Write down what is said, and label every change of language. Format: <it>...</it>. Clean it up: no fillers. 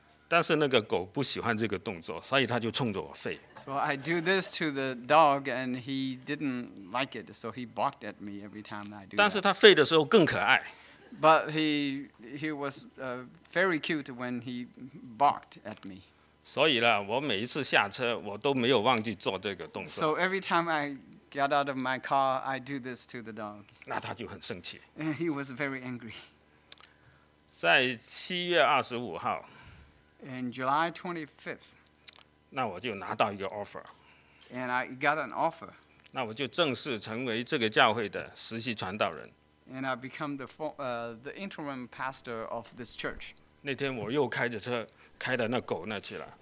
<zh>但是那个狗不喜欢这个动作，所以他就冲着我吠。</zh> <en>So I do this to the dog, and he didn't like it, so he barked at me every time I do.</en> <zh>但是他吠的时候更可爱。</zh> <en>But he was very cute when he barked at me.</en> <zh>所以呢，我每一次下车，我都没有忘记做这个动作。</zh> <en>So every time I got out of my car, I do this to the dog.</en> <zh>那他就很生气。</zh> <en>And he was very angry.</en> <zh>在七月二十五号。</zh> <en>In July 25th.</en> <zh>那我就拿到一个 offer.</zh> <en>And I got an offer.</en> <zh>那我就正式成为这个教会的实习传道人。</zh> <en>And I become the interim pastor of this church.</en> <zh>那天我又开着车开到那狗那去了。</zh>